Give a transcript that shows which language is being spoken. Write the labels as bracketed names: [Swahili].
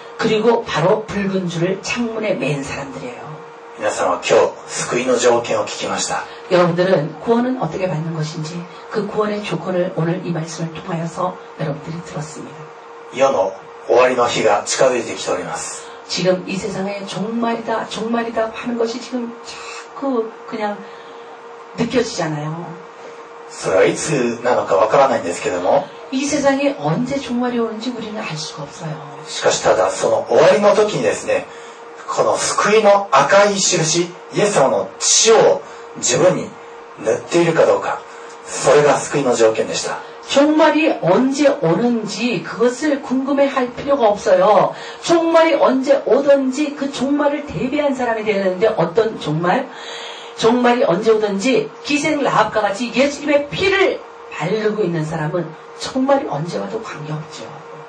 [Korean] 그리고바로붉은줄을창문에맨사람들이에요 [Japanese] 皆さんは今日救いの条件を聞きました [Korean] 여러분들은구원은어떻게받는것인지그구원의조건을오늘이말씀을통하여서여러분들이들었습니다 [Japanese] 世の終わりの日が近づいてきております [Korean] 지금이세상에종말이다종말이다하는것이지금자꾸그냥느껴지잖아요 [Japanese] それはいつなのかわからないんですけども [Korean] 이세상에언제종말이오는지우리는알수가없어요 [Japanese] しかしただその終わりの時にですねこの救いの赤い印イエス様の血を自分に塗っているかどうかそれが救いの条件でした [Korean] 종말이언제오는지그것을궁금해할필요가없어요종말이언제오든지그종말을대비한사람이되는데어떤종말종말이언제오든지기생라합과같이예수님의피를바르고있는사람은종말이언제와도관계없죠